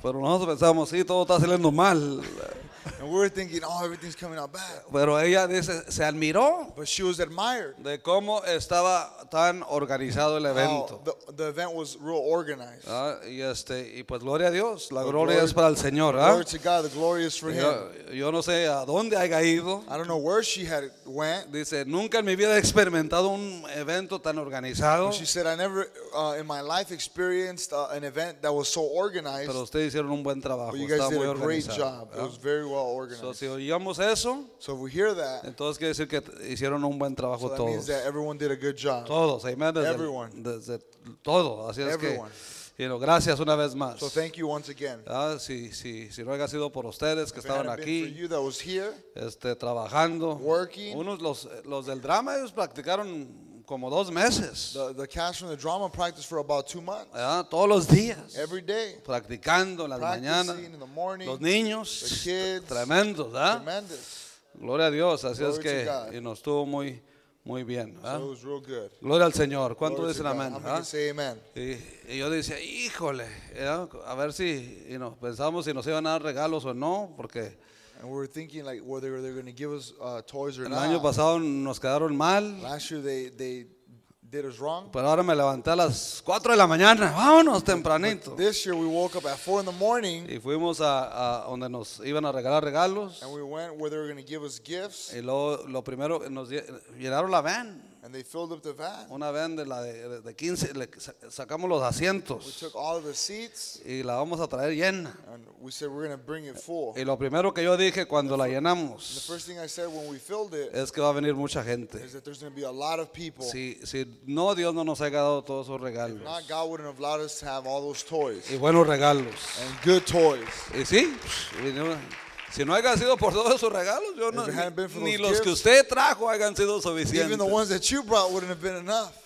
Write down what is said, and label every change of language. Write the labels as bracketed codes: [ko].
[es] Pero nosotros pensamos, sí, todo está saliendo mal. [en] And we were thinking, oh, everything's coming out bad. [es] Pero ella dice, se admiró. [en] But she was admired. [es] De cómo estaba tan organizado el evento. [en] Oh, the event was real organized. [es] Y pues gloria a Dios. La gloria es para el Señor. [en] Glory to God, the glory is for him. [es] Yo no sé a dónde haya ido. [en] I don't know where she had went. [es] Dice, nunca en mi vida he experimentado un evento tan organizado. [en] She said, I never in my life experienced an event that was so organized. [es] Pero ustedes hicieron un buen trabajo. [en] But you guys [es] estaba [en] did [es] muy [en] a great job. It was very well organized. [es] So, si oímos eso, [en] so if we hear that, [es] entonces quiere decir que hicieron un buen trabajo todos. [en] That means that everyone did a good job. [es] Todos, amen. [en] Everyone. [es] Desde todo. Así [en] everyone. [es] Es que, gracias una vez más. [en] So thank you once again. [es] Si no haya sido por ustedes que [en] if [es] estaban aquí, [en] for you that was here, [es] trabajando, [en] working, [es] unos los del drama, ellos practicaron como dos meses. [en] The cast from the drama practiced for about 2 months. [es] ¿Verdad? Todos los días. [en] Every day. [es] Practicando en las [en] practicing [es] mañanas. [en] In the morning, [es] los niños. [en] The kids. [es] Tremendos, ¿verdad? [en] Tremendous. [es] Gloria a Dios. Así [en] glory [es] es que [en] God. [es] Y nos estuvo muy, muy bien. [en] So it was real good. [es] Gloria al Señor. ¿Cuánto glory dicen amén? [en] I'm gonna say amen. [es] Y yo decía, híjole, ¿verdad? A ver si pensamos si nos iban a dar regalos o no, porque [en] and we were thinking like whether they're going to give us toys or [es] el [en] not. [es] Año pasado nos quedaron mal. [en] Last year they did us wrong. [es] Pero ahora me levanté a las 4 de la mañana. Vámonos tempranito. [en] But this year we woke up at 4 in the morning. [es] Y fuimos a donde nos iban a regalar regalos. [en] And we went where they were going to give us gifts. [es] Y lo primero nos llenaron la van. [en] And they filled up the van. [es] Una van de la de 15, sacamos los asientos. [en] We took all of the seats. [es] Y la vamos a traer llena. [en] And we said we're going to bring it full. [es] Y lo primero que yo dije cuando la llenamos. [en] The first thing I said when we filled it. [es] Es que va a venir mucha gente. [en] Is that there's going to be a lot of people. [es] Si no, Dios no nos ha dado todos esos regalos. [en] If not, God wouldn't have allowed us to have all those toys. [es] Y buenos regalos. [en] And good toys. [es] Y sí. Si no haya sido por todos esos regalos, yo no, ni los [en] gifts, [es] que usted trajo hayan sido suficientes. [en] Even the ones that you brought wouldn't have been enough.